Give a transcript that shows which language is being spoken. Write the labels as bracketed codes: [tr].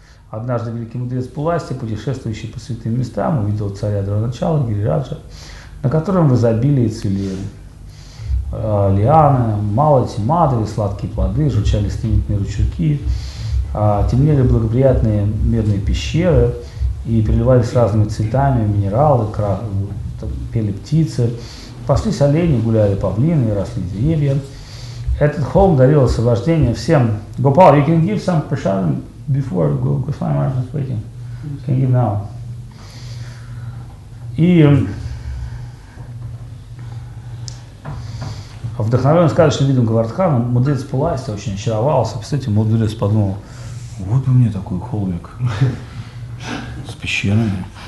[ru] Однажды великий мудрец Пуласти, путешествующий по святым местам, увидел царя Дроначала, Гирираджа, на котором в изобилии цвели лианы, малати, мадри, сладкие плоды, журчали стремительные ручейки, темнели благоприятные медные пещеры и переливались разными цветами, минералы, пели птицы, паслись олени, гуляли павлины, росли деревья. Этот холм дарил освобождение всем. [en] Гопал, you can give some prashadam before Goswami Maharaj is waiting. [ru] Оригинал. И вдохновлен сказочным видом Говардхана, мудрец Пуласти очень очаровался. Представляете, мудрец подумал, вот у меня такой холмик с пещерами.